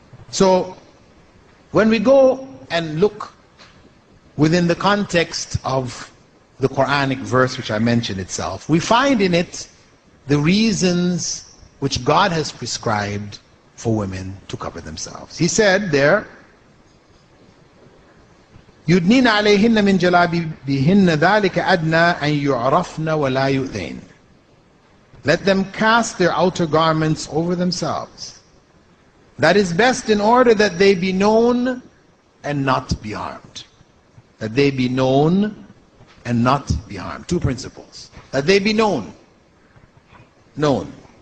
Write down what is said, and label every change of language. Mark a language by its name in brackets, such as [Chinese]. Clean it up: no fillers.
[English] So when we go and look within the context of the Quranic verse which I mentioned itself, we find in it the reasons which God has prescribed for women to cover themselves. He said there, [Arabic] يدنين عليهن من جلابيبهن ذلك أدنى أن يعرفن ولا يؤذين. [English] Let them cast their outer garments over themselves. That is best in order that they be known and not be harmed. That they be known and not be harmed. Two principles. That they be known. Known.